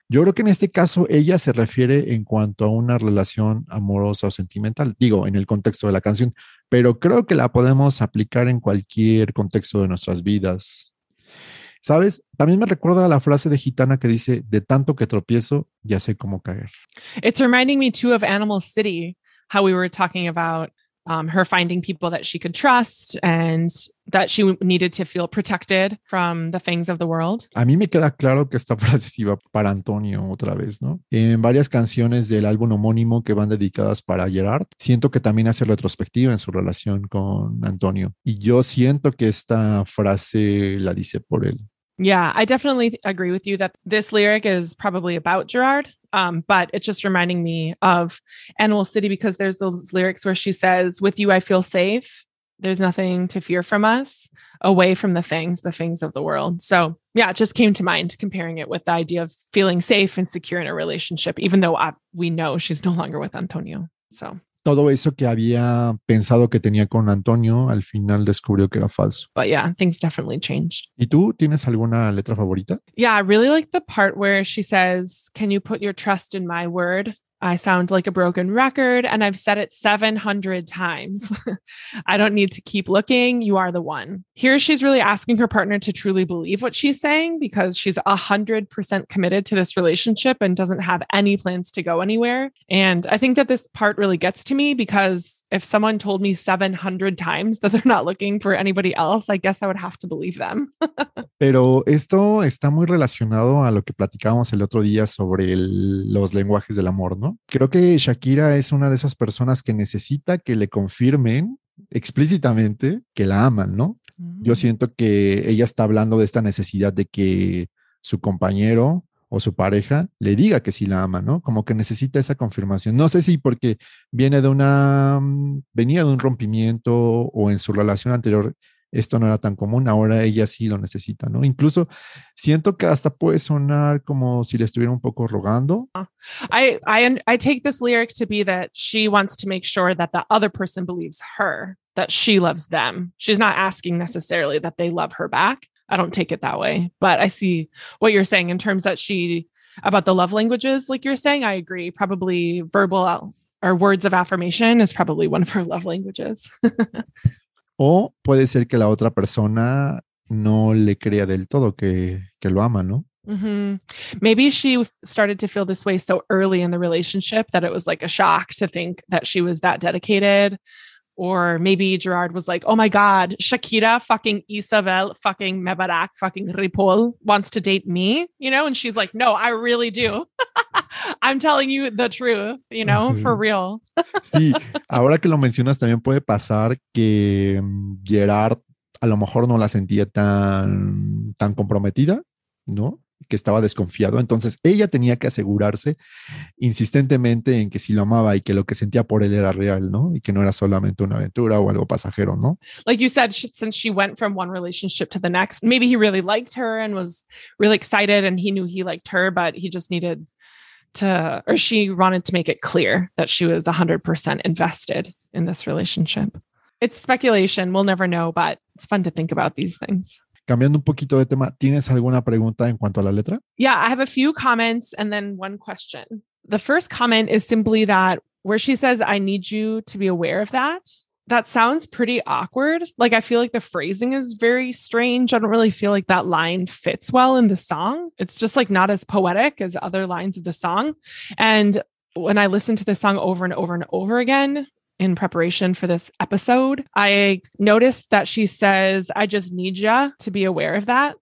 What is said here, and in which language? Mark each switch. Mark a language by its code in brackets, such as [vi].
[es] Yo creo que en este caso ella se refiere en cuanto a una relación amorosa o sentimental. Digo, en el contexto de la canción. Pero creo que la podemos aplicar en cualquier contexto de nuestras vidas. ¿Sabes? También me recuerda a la frase de Gitana que dice, de tanto que tropiezo, ya sé cómo caer. [en] It's reminding me too of Animal City, how we were talking about her finding people that she could trust and that she needed to feel protected from the fangs of the world. [es] A mí me queda claro que esta frase se iba para Antonio otra vez, ¿no? En varias canciones del álbum homónimo que van dedicadas para Gerard, siento que también hace retrospectiva en su relación con Antonio. Y yo siento que esta frase la dice por él. [en] Yeah, I definitely agree with you that this lyric is probably about Gerard, but it's just reminding me of Animal City because there's those lyrics where she says, with you, I feel safe. There's nothing to fear from us, away from the fangs of the world. So yeah, it just came to mind comparing it with the idea of feeling safe and secure in a relationship, even though we know she's no longer with Antonio. So [es] todo eso que había pensado que tenía con Antonio, al final descubrió que era falso. [en] But yeah, things definitely changed. [es] ¿Y tú tienes alguna letra favorita? [en] Yeah, I really like the part where she says, can you put your trust in my word? I sound like a broken record and I've said it 700 times. I don't need to keep looking. You are the one. Here she's really asking her partner to truly believe what she's saying because she's 100% committed to this relationship and doesn't have any plans to go anywhere. And I think that this part really gets to me because if someone told me 700 times that they're not looking for anybody else, I guess I would have to believe them. [es] Pero esto está muy relacionado a lo que platicábamos el otro día sobre los lenguajes del amor, ¿no? Creo que Shakira es una de esas personas que necesita que le confirmen explícitamente que la aman, ¿no? Yo siento que ella está hablando de esta necesidad de que su compañero o su pareja le diga que sí la ama, ¿no? Como que necesita esa confirmación. No sé si porque venía de un rompimiento o en su relación anterior esto no era tan común, ahora ella sí lo necesita, ¿no? Incluso siento que hasta puede sonar como si le estuviera un poco rogando. [en] I take this lyric to be that she wants to make sure that the other person believes her, that she loves them. She's not asking necessarily that they love her back. I don't take it that way, but I see what you're saying in terms that she, about the love languages, like you're saying, I agree, probably verbal or words of affirmation is probably one of her love languages. [es] O puede ser que la otra persona no le crea del todo que lo ama, ¿no? Mm-hmm. [en] Maybe she started to feel this way so early in the relationship that it was like a shock to think that she was that dedicated. Or maybe Gerard was like, oh my God, Shakira fucking Isabel fucking Mebarak fucking Ripoll wants to date me, you know? And she's like, no, I really do. I'm telling you the truth, you know, for real. [es] Sí, ahora que lo mencionas también puede pasar que Gerard a lo mejor no la sentía tan comprometida, ¿no? Que estaba desconfiado. Entonces ella tenía que asegurarse insistentemente en que sí lo amaba y que lo que sentía por él era real, ¿no? Y que no era solamente una aventura o algo pasajero, ¿no? [en] Like you said, since she went from one relationship to the next, maybe he really liked her and was really excited and he knew he liked her, but he just needed to, or she wanted to make it clear that she was 100% invested in this relationship. It's speculation. We'll never know, but it's fun to think about these things. [es] Cambiando un poquito de tema, ¿tienes alguna pregunta en cuanto a la letra? [en] Yeah, I have a few comments and then one question. The first comment is simply that where she says, I need you to be aware of that, that sounds pretty awkward. Like, I feel like the phrasing is very strange. I don't really feel like that line fits well in the song. It's just like not as poetic as other lines of the song. And when I listen to the song over and over and over again, in preparation for this episode, I noticed that she says, I just need ya to be aware of that.